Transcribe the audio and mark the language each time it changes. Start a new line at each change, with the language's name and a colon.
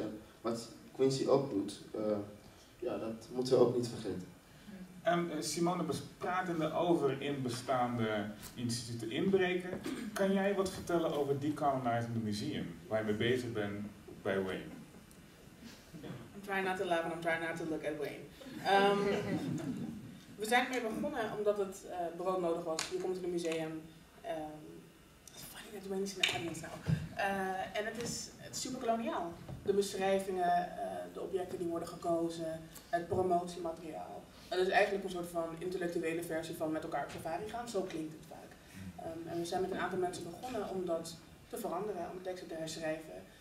Dutch: En wat Quincy ook doet, dat moeten we ook niet vergeten. En Simone, pratende over in bestaande instituten inbreken, kan jij wat vertellen over
English: decolonizing the museum,
Dutch: waar je mee bezig bent bij Wayne?
English: I'm trying not to laugh and I'm trying not to look at Wayne.
Dutch: We zijn ermee begonnen omdat het brood nodig was. Je komt in een museum.
English: Funny that Wayne is in de audience now.
Dutch: En het is superkoloniaal. De beschrijvingen, de objecten die worden gekozen, het promotiemateriaal. Dat is eigenlijk een soort van intellectuele versie van met elkaar op safari gaan, zo klinkt het vaak. En we zijn met een aantal mensen begonnen om dat te veranderen, om teksten te herschrijven.